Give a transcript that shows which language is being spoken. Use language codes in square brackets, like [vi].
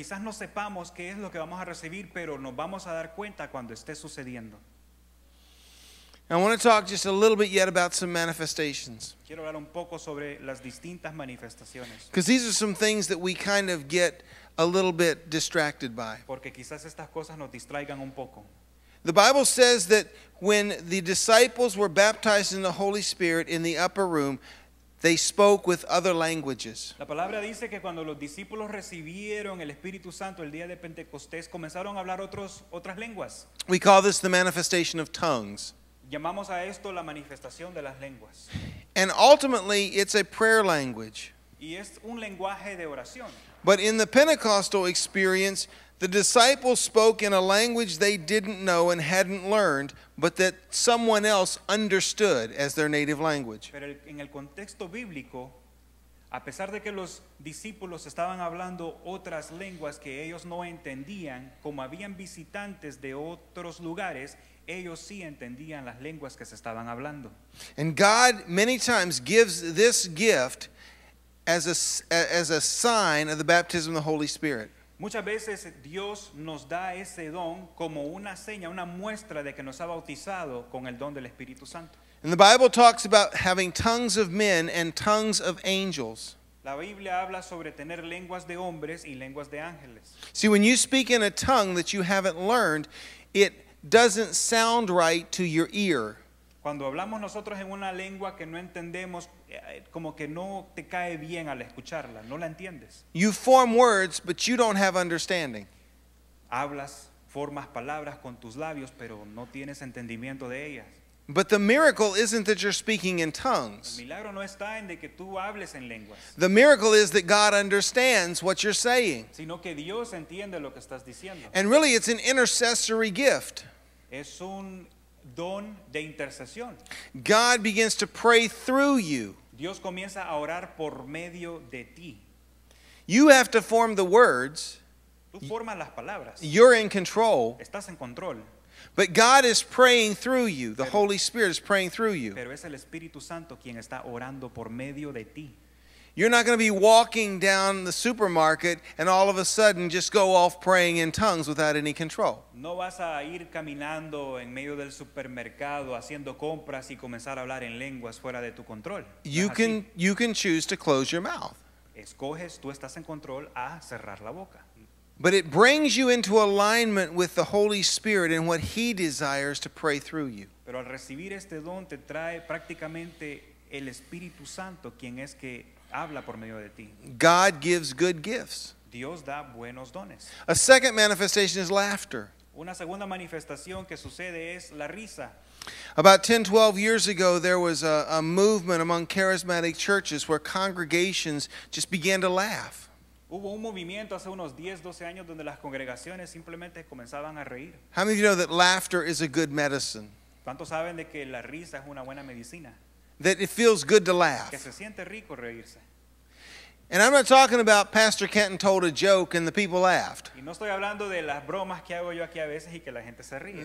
[es] Quizás no sepamos qué es lo que vamos a recibir, pero nos vamos a dar cuenta cuando esté sucediendo. [en] I want to talk just a little bit yet about some manifestations. [es] Quiero hablar un poco sobre las distintas manifestaciones. [en] Because these are some things that we kind of get a little bit distracted by. [es] Porque quizás estas cosas nos distraigan un poco. [en] The Bible says that when the disciples were baptized in the Holy Spirit in the upper room, they spoke with other languages. [es] La palabra dice que cuando los discípulos recibieron el Espíritu Santo el día de Pentecostés, comenzaron a hablar otras lenguas. [en] We call this the manifestation of tongues. [es] Llamamos a esto la manifestación de las lenguas. [en] And ultimately, it's a prayer language. [es] Y es un lenguaje de oración. [en] But in the Pentecostal experience, the disciples spoke in a language they didn't know and hadn't learned, but that someone else understood as their native language. [es] Pero en el contexto bíblico, a pesar de que los discípulos estaban hablando otras lenguas que ellos no entendían, como habían visitantes de otros lugares, ellos sí entendían las lenguas que se estaban hablando. [en] And God many times gives this gift as a sign of the baptism of the Holy Spirit. [es] Muchas veces Dios nos da ese don como una seña, una muestra de que nos ha bautizado con el don del Espíritu Santo. [en] And the Bible talks about having tongues of men and tongues of angels. [es] La Biblia habla sobre tener lenguas de hombres y lenguas de ángeles. [en] See, when you speak in a tongue that you haven't learned, it doesn't sound right to your ear. [es] Cuando hablamos nosotros en una lengua que no entendemos, como que no te cae bien al escucharla, no la entiendes. [en] You form words, but you don't have understanding. [es] Hablas, formas palabras con tus labios, pero no tienes entendimiento de ellas. [en] But the miracle isn't that you're speaking in tongues. [es] El milagro no está en de que tú hables en lenguas. [en] The miracle is that God understands what you're saying. [es] Sino que Dios entiende lo que estás diciendo. [en] And really, it's an intercessory gift. [es] Es un don de intercesión. [en] God begins to pray through you. [es] Dios comienza a orar por medio de ti. [en] You have to form the words. [es] Tú formas las palabras. [en] You're in control. [es] Estás en control. [en] But God is praying through you. The Holy Spirit is praying through you. [es] Pero es el Espíritu Santo quien está orando por medio de ti. [en] You're not going to be walking down the supermarket and all of a sudden just go off praying in tongues without any control. [es] No vas a ir caminando en medio del supermercado haciendo compras y comenzar a hablar en lenguas fuera de tu control. [en] You can choose to close your mouth. [es] Escoges, tú estás en control a cerrar la boca. [en] But it brings you into alignment with the Holy Spirit and what He desires to pray through you. [es] Pero al recibir este don te trae prácticamente el Espíritu Santo quien es que habla por medio de ti. [en] God gives good gifts. [es] Dios da buenos dones. [en] A second manifestation is laughter. [es] Una segunda manifestación que sucede es la risa. [en] About 10-12 years ago, there was a movement among charismatic churches where congregations just began to laugh. [es] Hubo un movimiento hace unos 10-12 años donde las congregaciones simplemente comenzaban a reír. [en] How many of you know that laughter is a good medicine? [es] ¿Cuántos saben de que la risa es una buena medicina? [en] That it feels good to laugh. [es] Que se siente rico reírse. [en] And I'm not talking about Pastor Kenton told a joke and the people laughed. [es] Y no estoy hablando de las bromas que hago yo aquí a veces y que la gente se ríe.